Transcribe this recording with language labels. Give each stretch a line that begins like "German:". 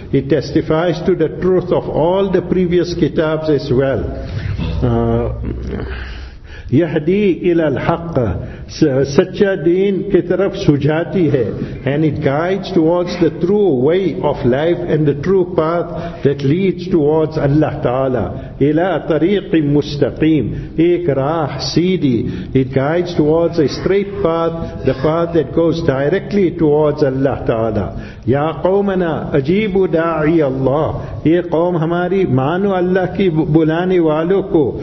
English: It testifies to the truth of all the previous kitabs as well.
Arabic: يهدي إلى الحق,
Urdu: سچا دین کی طرف سجاتی ہے.
English: And it guides towards the true way of life and the true path that leads towards Allah Ta'ala.
Arabic: إلى طريق مستقيم,
Urdu: ایک راہ سیدھی.
English: It guides towards a straight path, the path that goes directly towards Allah Ta'ala.
Arabic: يا قومنا أجيبوا داعي الله,
Urdu: یہ قوم ہماری مانو اللہ کی بلانے والوں کو.